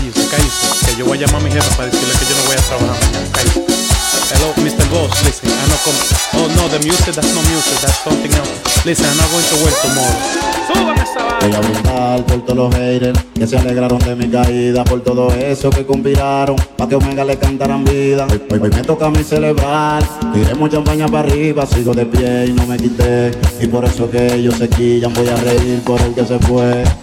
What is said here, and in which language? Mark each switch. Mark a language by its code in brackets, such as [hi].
[es] Cállese, que yo voy a llamar a mi jefa para decirle que yo no voy a trabajar mañana. Cállese. [en] Hello, Mr. boss. Listen, I'm not coming. Oh no, the music, that's not music, that's something else. Listen, I'm not going to work tomorrow. [es] Voy a brindar por todos los haters que se alegraron de mi caída, por todo eso que conspiraron pa' que Omega le cantaran vida. Hoy me toca a mí celebrar, tiré mucha baña pa' arriba, sigo de pie y no me quité. Y por eso que ellos se quillan, voy a reír por el que se fue.